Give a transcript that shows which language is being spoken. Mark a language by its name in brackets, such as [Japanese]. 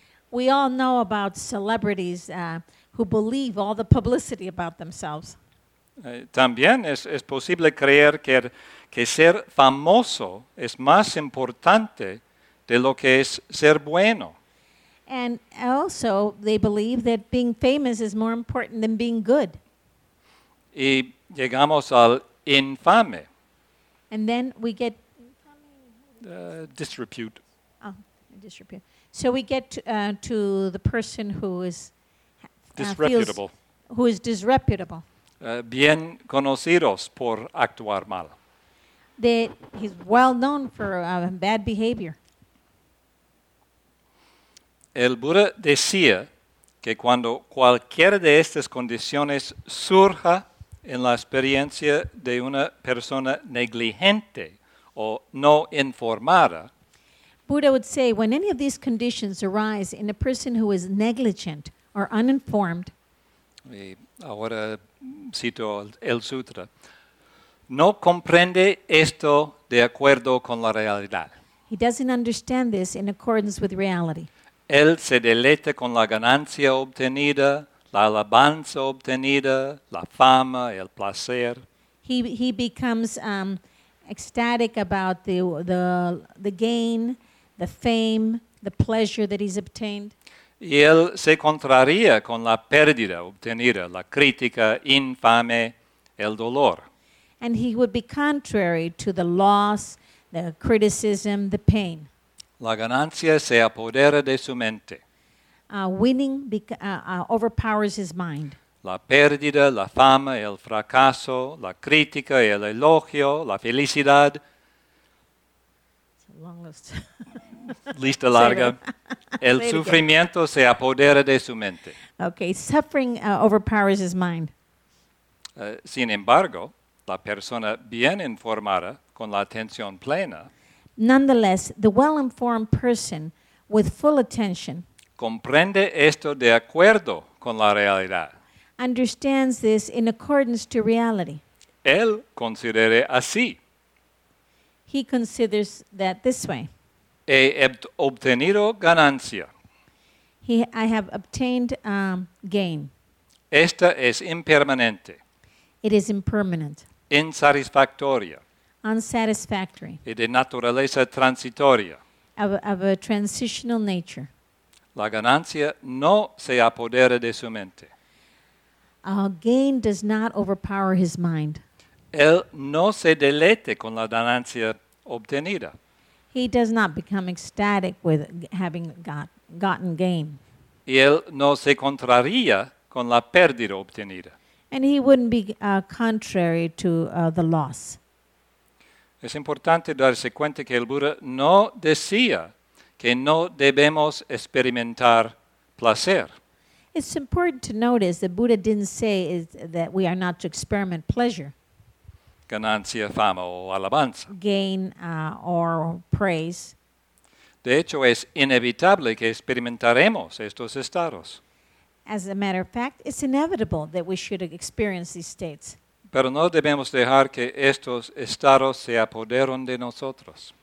[English] We all know about celebrities who believe all the publicity about themselves. [Spanish] También es posible creer que ser famoso es más importante de lo que es ser bueno. [English] And also, they believe that being famous is more important than being good. [Spanish] Y llegamos al infame. [English] And then we get disrepute. Disrepute. So we get to the person who is disreputable. Who is disreputable. [Spanish] Bien conocidos por actuar mal. [English] That he's well known for bad behavior. [Spanish] El Buda decía que cuando cualquiera de estas condiciones surja en la experiencia de una persona negligente o no informada, [English] Buddha would say, when any of these conditions arise in a person who is negligent or uninformed, [Spanish] y ahora cito el sutra, no comprende esto de acuerdo con la realidad. [English] He doesn't understand this in accordance with reality. [Spanish] Él se deleita con la ganancia obtenida, la alabanza obtenida, la fama, el placer. [English] He becomes ecstatic about the gain, the fame, the pleasure that he's obtained. [Spanish] Y él se contraría con la pérdida obtenida, la crítica infame, el dolor. [English] And he would be contrary to the loss, the criticism, the pain. [Spanish] La ganancia se apodera de su mente. [English] Winning overpowers his mind. [Spanish] La pérdida, la fama, el fracaso, la crítica, el elogio, la felicidad. [English] It's a long list. [Spanish] Lista larga. El sufrimiento se apodera de su mente. [English] Okay, suffering overpowers his mind. [Spanish] Sin embargo, la persona bien informada, con la atención plena, [English] nonetheless, the well-informed person with full attention [Spanish] comprende esto de acuerdo con la realidad. [English] Understands this in accordance to reality. [Spanish] Él considera así. [English] He considers that this way. [Spanish] He obtenido ganancia. [English] I have obtained gain. [Spanish] Esta es impermanente. [English] It is impermanent. [Spanish] Insatisfactoria. [English] Unsatisfactory. [Spanish] Y de naturaleza transitoria. [English] Of a transitional nature. [Spanish] La ganancia no se apodera de su mente. [English] Gain does not overpower his mind. [Spanish] Él no se deleite con la ganancia obtenida. [English] He does not become ecstatic with having gotten gain. [Spanish] Y él no se contraría con la pérdida obtenida. [English] And he wouldn't be contrary to the loss. [Spanish] Es importante darse cuenta que el Buda no decía que no debemos experimentar placer. [English] It's important to notice that Buddha didn't say is that we are not to experiment pleasure. [Spanish] Ganancia, fama o alabanza. [English] Gain or praise. [Spanish] De hecho, es inevitable que experimentaremos estos estados. [English] As a matter of fact, it's inevitable that we should experience these states. [Spanish] Pero no debemos dejar que estos estados se apoderen de nosotros.